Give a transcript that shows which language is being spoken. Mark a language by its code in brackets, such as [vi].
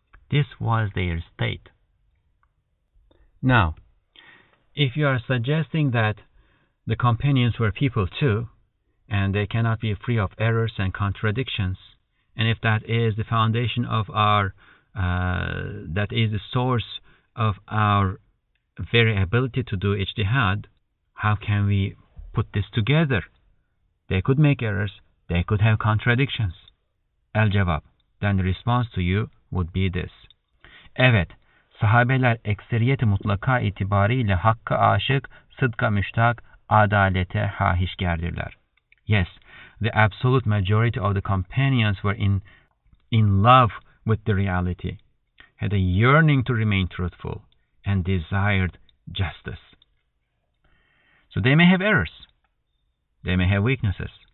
[en] This was their state. Now, if you are suggesting that the companions were people too, and they cannot be free of errors and contradictions, and if that is the foundation of the source of our very ability to do ijtihad, how can we put this together? They could make errors, they could have contradictions. El-Cevap, then the response to you would be this. [tr] Evet, sahabeler ekseriyeti mutlaka itibariyle hakka aşık, sıdka müştak, adalete hahişgerdirler. [en] Yes, the absolute majority of the companions were in love with the reality. had a yearning to remain truthful and desired justice. So they may have errors. They may have weaknesses.